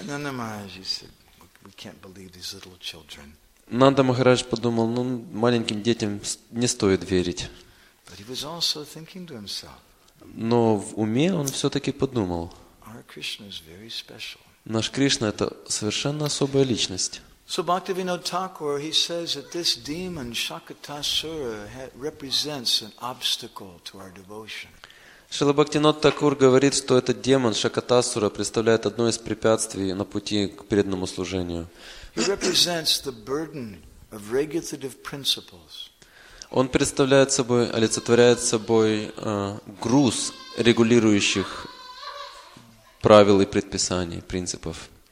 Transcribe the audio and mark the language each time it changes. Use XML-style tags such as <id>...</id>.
<en>Nanda Maharaj said, we can't believe these little children.</en> <ru>Нанда Махарадж подумал: ну, маленьким детям не стоит верить.</ru> <en>But he was also thinking to himself.</en> <ru>Но в уме он все-таки подумал:</ru> <en>Krishna is very special.</en> <ru>Наш Кришна – это совершенно особая личность.</ru> <en>So Bhaktivinoda Thakur, he says that this demon Shakatasura represents an obstacle to our devotion.</en> <ru>Шрила Бхактинода Такур говорит, что этот демон Шакатасура представляет одно из препятствий на пути к преданному служению.</ru> <en>He represents the burden of regulative principles.</en> <ru>Он представляет собой, олицетворяет собой груз регулирующих правил и предписаний, принципов.</ru>